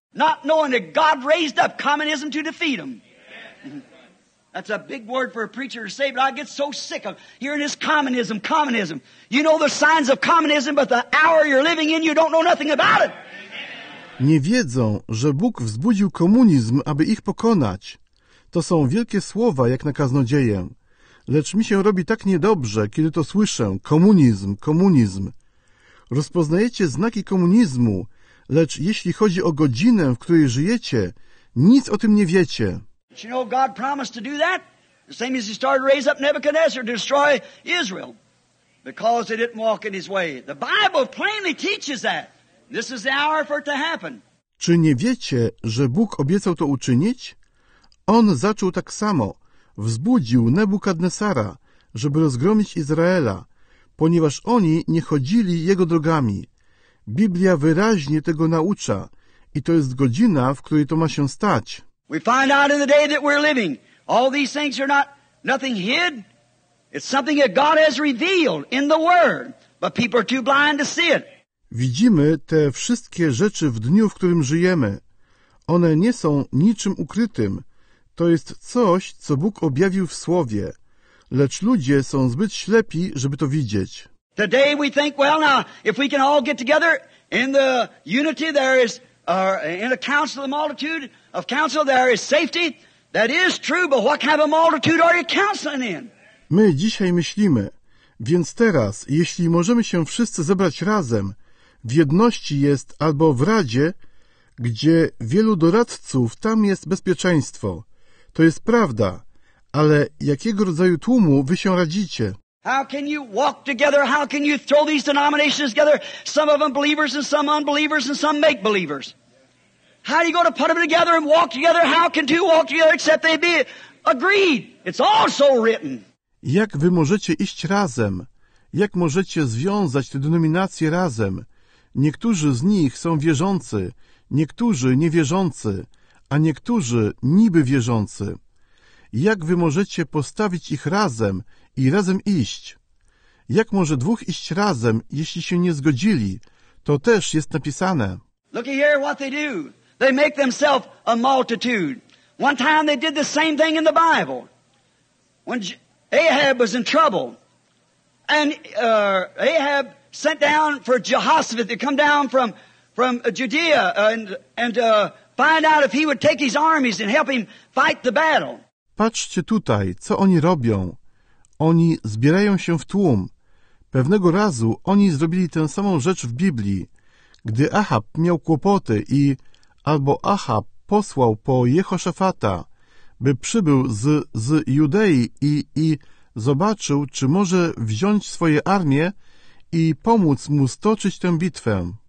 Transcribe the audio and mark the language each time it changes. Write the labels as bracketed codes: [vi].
[en] Not knowing that God raised up communism to defeat him. That's a big word for a preacher to say, but I get so sick of hearing this communism, communism. You know the signs of communism, but the hour you're living in, you don't know nothing about it. [pl] Nie wiedzą, że Bóg wzbudził komunizm, aby ich pokonać. To są wielkie słowa, jak na kaznodzieję. Lecz mi się robi tak niedobrze, kiedy to słyszę. Komunizm, komunizm. Rozpoznajecie znaki komunizmu, lecz jeśli chodzi o godzinę, w której żyjecie, nic o tym nie wiecie. [en] You know, God promised to do that. The same as he started to raise up Nebuchadnezzar to destroy Israel. Because they didn't walk in his way. The Bible plainly teaches that. This is the hour for it to happen. [pl] Czy nie wiecie, że Bóg obiecał to uczynić? On zaczął tak samo. Wzbudził Nebukadnesara, żeby rozgromić Izraela, ponieważ oni nie chodzili jego drogami. Biblia wyraźnie tego naucza i to jest godzina, w której to ma się stać. [en] We find out in the day that we're living, all these things are not nothing hid. It's something that God has revealed in the Word, but people are too blind to see it. [pl] Widzimy te wszystkie rzeczy w dniu, w którym żyjemy. One nie są niczym ukrytym. To jest coś, co Bóg objawił w Słowie, lecz ludzie są zbyt ślepi, żeby to widzieć. [en] Today we think, well now, if we can all get together in the unity, there is, in a council of the multitude of council, there is safety. That is true, but what kind of a multitude are you counseling in? [pl] My dzisiaj myślimy, więc teraz, jeśli możemy się wszyscy zebrać razem, w jedności jest albo w Radzie, gdzie wielu doradców, tam jest bezpieczeństwo. To jest prawda, ale jakiego rodzaju tłumu wy się radzicie? [en] How can you walk together? How can you throw these denominations together? Some of them believers and some unbelievers and some make believers. How are you going to put them together and walk together? How can two walk together except they be agreed? It's also written. [pl] Jak wy możecie iść razem? Jak możecie związać te denominacje razem? Niektórzy z nich są wierzący, niektórzy niewierzący. A niektórzy niby wierzący. Jak wy możecie postawić ich razem i razem iść? Jak może dwóch iść razem, jeśli się nie zgodzili? To też jest napisane. [en] Look here what they do. They make themselves a multitude. One time they did the same thing in the Bible. When Ahab was in trouble, and Ahab sent down for Jehoshaphat to come down from Judea and find out if he would take his armies and help him fight the battle. [pl] Patrzcie tutaj, co oni robią. Oni zbierają się w tłum. Pewnego razu oni zrobili tę samą rzecz w Biblii. Gdy Ahab miał kłopoty i albo Ahab posłał po Jehoszafata, by przybył z Judei i zobaczył, czy może wziąć swoje armię i pomóc mu stoczyć tę bitwę.